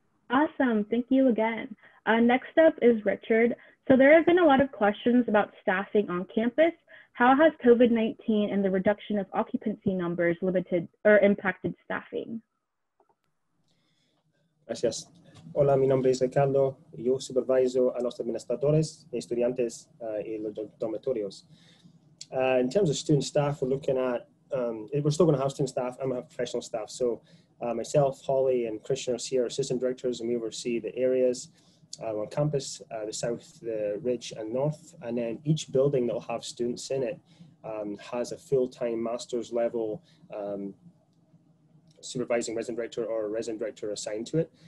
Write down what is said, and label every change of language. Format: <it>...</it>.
<en>Awesome, thank you again. Next up is Richard. So there have been a lot of questions about staffing on campus. How has COVID-19 and the reduction of occupancy numbers limited or impacted staffing?</en> <es>Gracias. Hola, mi nombre es Ricardo. Yo supervisor a los administradores, estudiantes y los dormitorios.</es> <en>In terms of student staff, we're looking at, we're still going to have student staff and we have professional staff. So myself, Holly, and Christian are here, assistant directors, and we oversee the areas on campus, the south, the ridge, and north. And then each building that will have students in it has a full-time master's level supervising resident director or resident director assigned to it.</en>